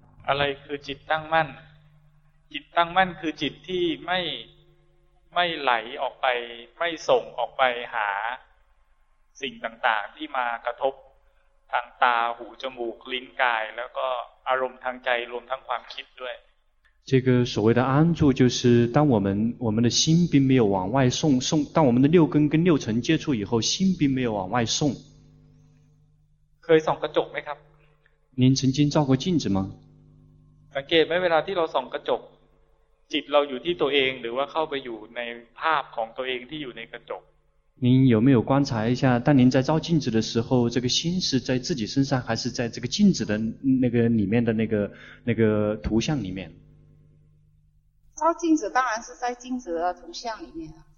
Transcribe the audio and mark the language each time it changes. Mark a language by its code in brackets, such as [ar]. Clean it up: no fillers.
[th] อะไรคือจิตตั้งมั่นจิตตั้งมั่นคือจิตที่ไม่ไหลออกไปไม่ส่งออกไปหาสิ่งต่างๆที่มากระทบทางตาหูจมูกลิ้นกายแล้วก็อารมณ์ทางใจรวมทั้งความคิดด้วย [zh] 这个所谓的安住就是当我们的心并没有往外送当我们的六根跟六尘接触以后心并没有往外送 [th] เคยส่องกระจกไหมครับ [zh] 您曾经照过镜子吗 [th] สังเกตไหมเวลาที่เราส่องกระจกจิตเราอยู่ที่ตัวเองหรือว่าเข้าไปอยู่ในภาพของตัวเองที่อยู่ในกระจก [zh] 您有没有观察一下当您在照镜子的时候这个心是在自己身上还是在这个镜子的那个里面的那个图像里面照镜子当然是在镜子的图像里面